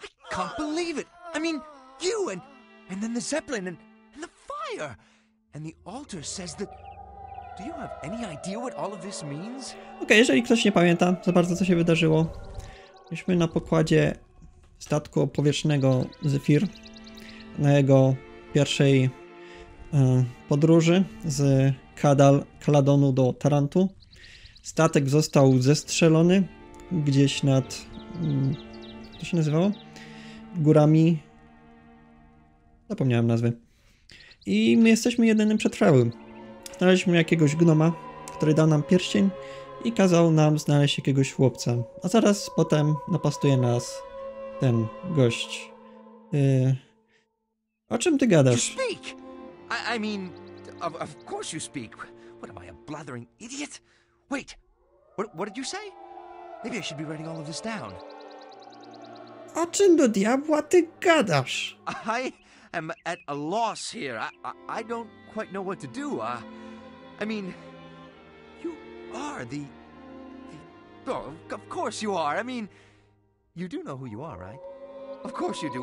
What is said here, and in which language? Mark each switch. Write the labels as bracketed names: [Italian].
[English] Can't believe it! I mean, you and then the zeppelin and the fire! And the altar says that... Do you have any idea what all of this means? [Polish] Okej, jeżeli ktoś nie pamięta za bardzo, co się wydarzyło. Byliśmy na pokładzie statku powietrznego Zephyr na jego pierwszej podróży z Caladonu do Tarantu. Statek został zestrzelony gdzieś nad... co się nazywało? Górami... Zapomniałem nazwy. I my jesteśmy jedynym przetrwałym. Znaleźliśmy jakiegoś gnoma, który dał nam pierścień i kazał nam znaleźć jakiegoś chłopca. A zaraz potem napastuje nas ten gość. O czym ty gadasz? [English] You speak! I mean, of course you speak. What am I, a blathering idiot? Wait, what did you say? Maybe I should be writing all of this down. [Polish] O czym do diabła ty gadasz? [English] I am at a loss here. I don't quite know what to do. I mean, you are the oh, of course you are. I mean, you do know who you are, right? Of course you do.